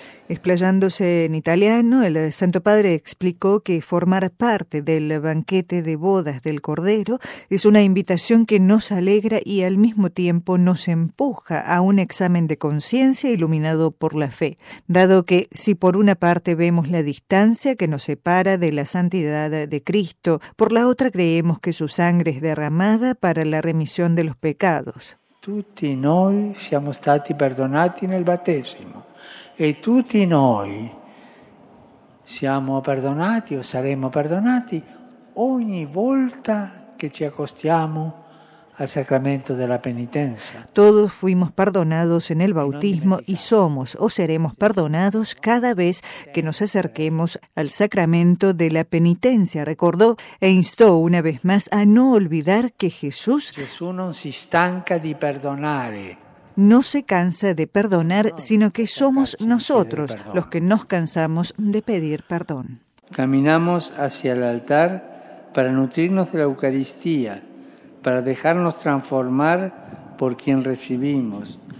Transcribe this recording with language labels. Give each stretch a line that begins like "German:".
Spanish: Explayándose en italiano, el Santo Padre explicó que formar parte del banquete de bodas del Cordero es una invitación que nos alegra y al mismo tiempo nos empuja a un examen de conciencia iluminado por la fe, dado que si por una parte vemos la distancia que nos separa de la santidad de Cristo, por la otra creemos que su sangre es derramada para la remisión de los pecados.
Italian: Tutti noi siamo stati perdonati nel battesimo. E tutti noi siamo perdonati o saremo perdonati ogni volta che ci accostiamo al sacramento della penitenza.
Spanish: Todos fuimos perdonados en el bautismo y somos o seremos perdonados cada vez que nos acerquemos al sacramento de la penitencia, recordó e instó una vez más a no olvidar que Jesús.
Italian: Jesús non si stanca di perdonare.
Spanish: No se cansa de perdonar, sino que somos nosotros los que nos cansamos de pedir perdón. Caminamos hacia el altar para nutrirnos de la Eucaristía, para dejarnos transformar por quien recibimos.